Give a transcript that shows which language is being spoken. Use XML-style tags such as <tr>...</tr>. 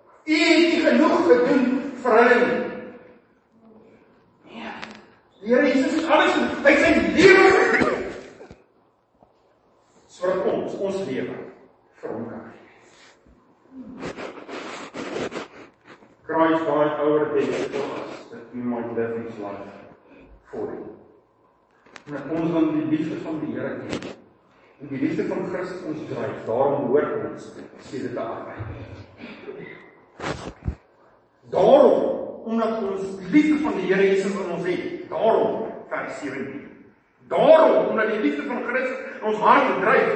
<af>U het nie genoeg gedoen vir hulle nie. Nee. Die Here Jesus het alles gedoen. Hy het sy lewe gegee. Sodat ons lewe vir hom kan gee.</af> <en>Christ died over the dead for us that we might live his life for him.</en> <af>En ons dan die liefde van die Here ken. En die liefde van Christus ons dryf. Daarom hoor ons sê dit aan my. Daarom, omdat ons liefde van die Here Jesus in ons het. Daarom, vers 17. Daarom, omdat die liefde van Christus in ons hart dryf.</af>